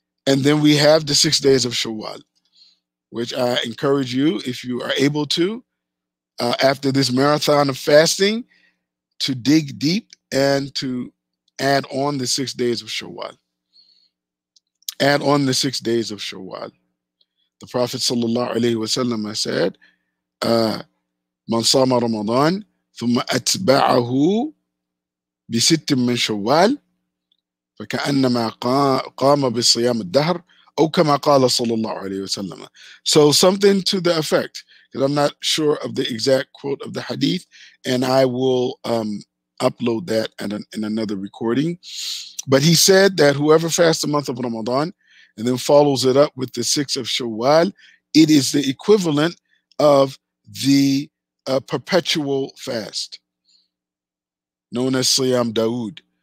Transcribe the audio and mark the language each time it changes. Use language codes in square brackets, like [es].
[en] And then we have the 6 days of Shawwal, which I encourage you, if you are able to, after this marathon of fasting, to dig deep and to add on the 6 days of Shawwal. Add on the 6 days of Shawwal. The Prophet sallallahu alayhi wa sallam said, [ar] من صام رمضان ثم أتبعه بست من شوال فكأنما قام بصيام الدهر أو كما قال صلى الله عليه وسلم. [en] So something to the effect, because I'm not sure of the exact quote of the hadith, and I will upload that in another recording. But he said that whoever fasts the month of Ramadan and then follows it up with the six of Shawwal, it is the equivalent of the perpetual fast, known as Siyam Dawood.